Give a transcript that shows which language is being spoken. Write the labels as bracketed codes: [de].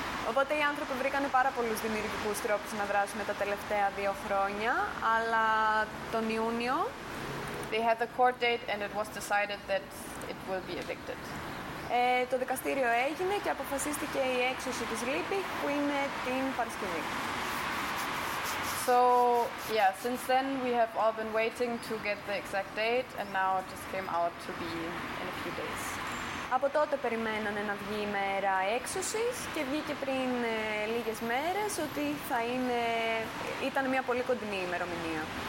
[el] Οπότε οι άνθρωποι βρήκαν πάρα πολλούς δημιουργικούς τρόπους να δράσουν τα τελευταία 2 χρόνια, αλλά τον Ιούνιο... [en] They had the court date and it was decided that it will be evicted. [el] Το δικαστήριο έγινε και αποφασίστηκε η έξωση της Liebig, που είναι την Παρασκευή. [en] So, yeah, since then we have all been waiting to get the exact date and now it just came out to be in a few days. [el] Από τότε περιμένανε να βγει η μέρα έξωσης και βγήκε πριν λίγες μέρες ότι θα είναι... ήταν μια πολύ κοντινή ημερομηνία.